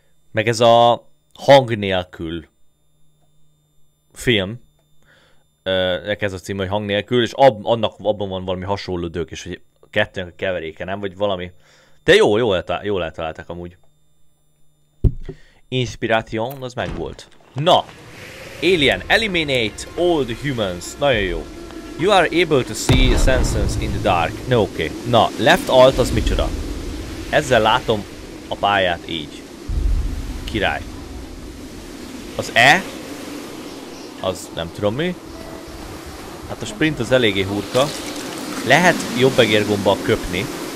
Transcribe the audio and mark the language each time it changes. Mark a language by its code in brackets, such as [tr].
[hu] Meg ez a hang nélkül film. Ez a cím, hogy hang nélkül, és abban van valami hasonló dög, és hogy a kettőnek a keveréke, nem? Vagy valami. De jó eltaláltak amúgy. Inspiration, az meg volt. [en] Na! Alien, eliminate all the humans. [hu] Nagyon jó. [en] You are able to see senses in the dark. [hu] Ne, oké. Na, left alt az micsoda? Ezzel látom a pályát így. Király. Az E? Az nem tudom mi. Hát a sprint az eléggé hurka. Lehet jobb egérgombbal köpni.